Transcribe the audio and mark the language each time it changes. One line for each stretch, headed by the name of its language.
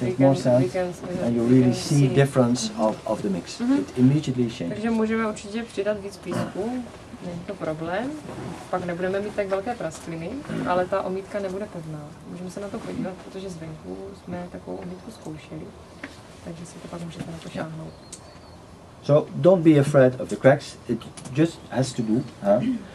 English: we can, more sand, and you really see difference of the mix. Mm-hmm. It immediately changes.
Czech: Takže můžeme určitě přidat víc písku, není to problém, pak nebudeme mít tak velké praskliny, ale ta omítka nebude pevná. Můžeme se na to podívat, protože zvenku jsme takovou omítku zkoušeli, takže si to pak můžete na to šáhnout.
English: So don't be afraid of the cracks, it just has to do, huh?